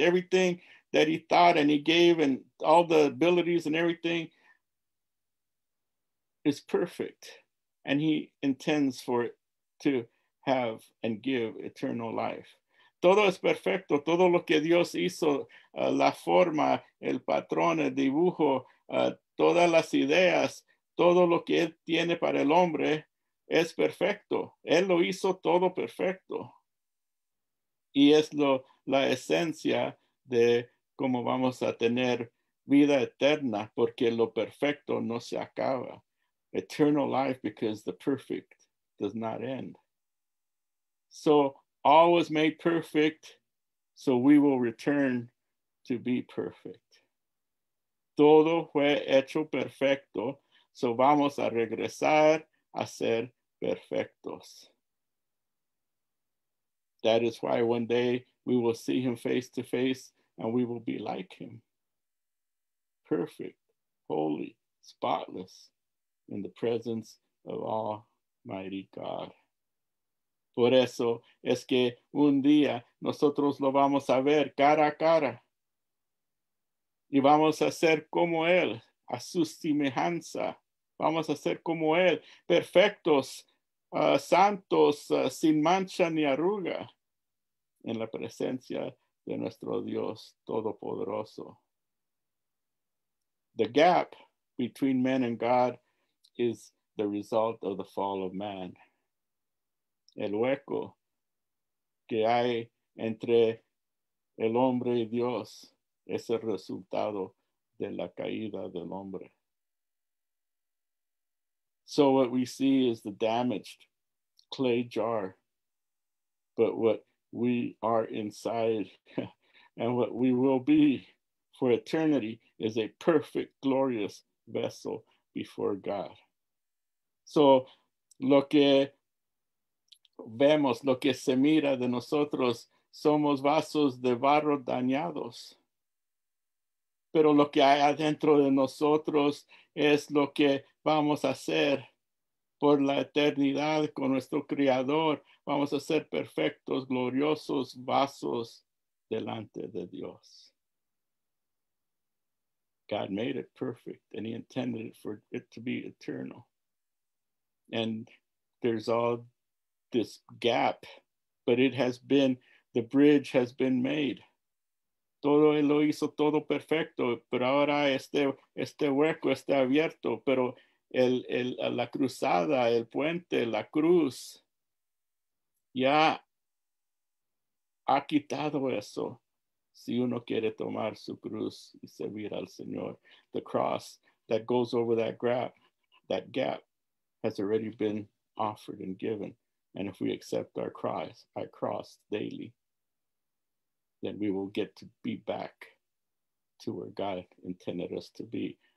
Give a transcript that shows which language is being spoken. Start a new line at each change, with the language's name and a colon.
English: Everything that he thought and he gave and all the abilities and everything is perfect. And he intends for it to have and give eternal life.
Spanish: Todo es perfecto. Todo lo que Dios hizo, la forma, el patrón, el dibujo, todas las ideas, todo lo que él tiene para el hombre es perfecto. Él lo hizo todo perfecto. Y es lo la esencia de cómo vamos a tener vida eterna, porque lo perfecto no se acaba.
English: Eternal life because the perfect does not end. So all was made perfect, so we will return to be perfect.
Spanish: Todo fue hecho perfecto, so vamos a regresar a ser perfectos.
English: That is why one day we will see him face to face and we will be like him. Perfect, holy, spotless, in the presence of Almighty God.
Spanish: Por eso es que un día nosotros lo vamos a ver cara a cara. Y vamos a ser como él, a su semejanza. Vamos a ser como él, perfectos, santos, sin mancha ni arruga, en la presencia de nuestro Dios Todopoderoso.
English: The gap between men and God is the result of the fall of man.
Spanish: El hueco que hay entre el hombre y Dios es el resultado de la caída del hombre.
English: So what we see is the damaged clay jar, but what we are inside and what we will be for eternity is a perfect, glorious vessel before God.
Spanish: So lo que vemos, lo que se mira de nosotros, somos vasos de barro dañados. Pero lo que hay adentro de nosotros es lo que vamos a hacer por la eternidad con nuestro Creador. Vamos a ser perfectos, gloriosos vasos delante de Dios.
English: God made it perfect and he intended it for it to be eternal. And there's all this gap, but it has been, the bridge has been made.
Spanish: Todo él lo hizo todo perfecto, pero ahora este hueco está abierto, pero la cruzada, el puente, la cruz, ya ha quitado eso. Si uno quiere tomar su cruz y servir al Señor,
English: the cross that goes over that gap has already been offered and given. And if we accept our cross daily, then we will get to be back to where God intended us to be.